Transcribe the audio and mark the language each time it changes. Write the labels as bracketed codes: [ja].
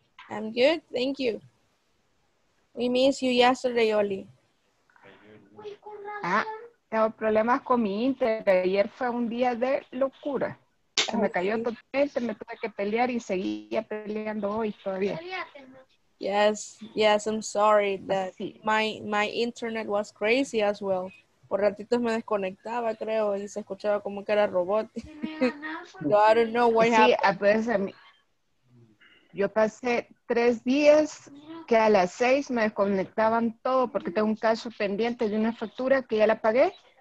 [en] I'm good, thank you. We miss you yesterday, Oli. [es] Ah, tengo problemas con mi internet. Ayer fue un día de locura. Se me cayó totalmente, me tuve que pelear y seguía peleando hoy todavía. [en] Yes, yes, I'm sorry that my internet was crazy as well. [es] Por ratitos me desconectaba, creo, y se escuchaba como que era robot. [en] So I don't know what happened. [es] Sí, pues, yo pasé 3 días que a las 6 me desconectaban todo porque tengo un caso pendiente de una factura que ya la pagué.